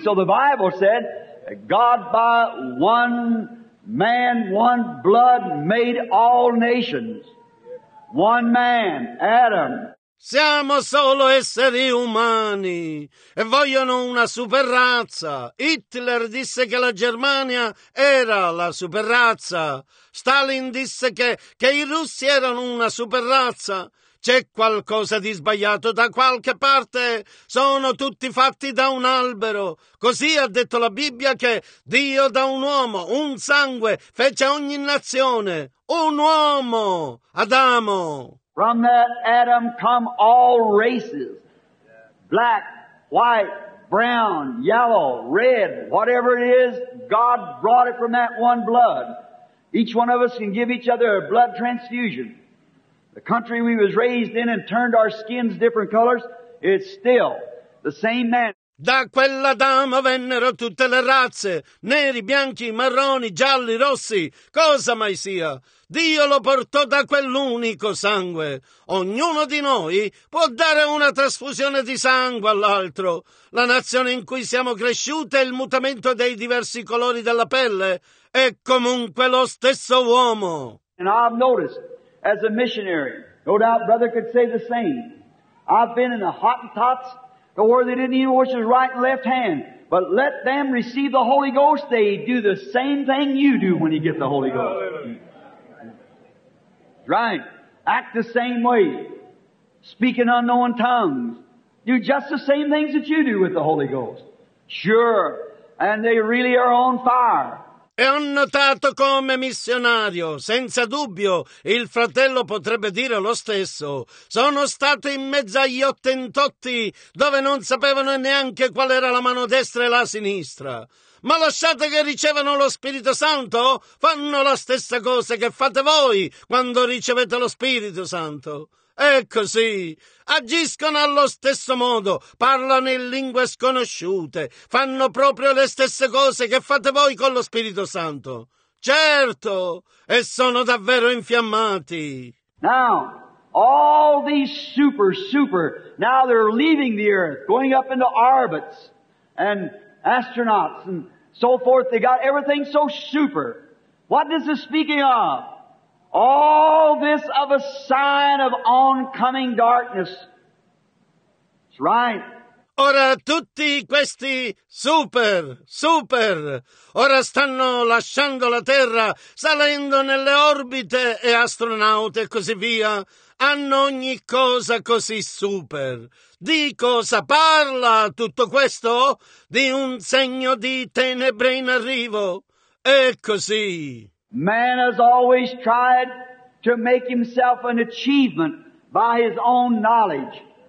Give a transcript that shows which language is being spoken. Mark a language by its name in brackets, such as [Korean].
[English] So the Bible said that God by one man, one blood made all nations. One man, Adam. [Italian] Siamo solo esseri umani e vogliono una super razza. Hitler disse che la Germania era la super razza. Stalin disse che i russi erano una super razza. C'è qualcosa di sbagliato da qualche parte. Sono tutti fatti da un albero. Così ha detto la Bibbia che Dio da un uomo, un sangue, fece ogni nazione. Un uomo, Adamo. [English] From that Adam come all races. Black, white, brown, yellow, red, whatever it is, God brought it from that one blood. Each one of us can give each other a blood transfusion. The country we was raised in and turned our skins different colors, it's still the same man. [Italian] Da quell'Adamo vennero tutte le razze, neri, bianchi, marroni, gialli, rossi, cosa mai sia. Dio lo portò da quell'unico sangue. Ognuno di noi può dare una trasfusione di sangue all'altro. La nazione in cui siamo cresciuti e il mutamento dei diversi colori della pelle è comunque lo stesso uomo. [English] And I've noticed, as a missionary, no doubt brother could say the same. I've been in the Hottentots to where they didn't even wash his right and left hand. But let them receive the Holy Ghost, they do the same thing you do when you get the Holy Ghost. Right. Act the same way. speak in unknown tongues, do just the same things that you do with the Holy Ghost. Sure, and they really are on fire. [Italian] E ho notato come missionario, senza dubbio, il fratello potrebbe dire lo stesso. Sono stato in mezzo agli ottentotti, dove non sapevano neanche qual era la mano destra e la sinistra. Ma lasciate che ricevano lo Spirito Santo, fanno la stessa cosa che fate voi quando ricevete lo Spirito Santo. È così. Agiscono allo stesso modo, parlano in lingue sconosciute, fanno proprio le stesse cose che fate voi con lo Spirito Santo. Certo, e sono davvero infiammati. [English] Now, all these super, now they're leaving the earth, going up into orbits, and astronauts, and so forth, they got everything so super. What is this speaking of? All this of a sign of oncoming darkness. It's right. [Italian] Ora tutti questi super, ora stanno lasciando la Terra, salendo nelle orbite e astronauti e così via. Hanno ogni cosa così super. Di cosa parla tutto questo? Di un segno di tenebre in arrivo. È così. [English] Man has always tried to make himself an achievement by his own knowledge.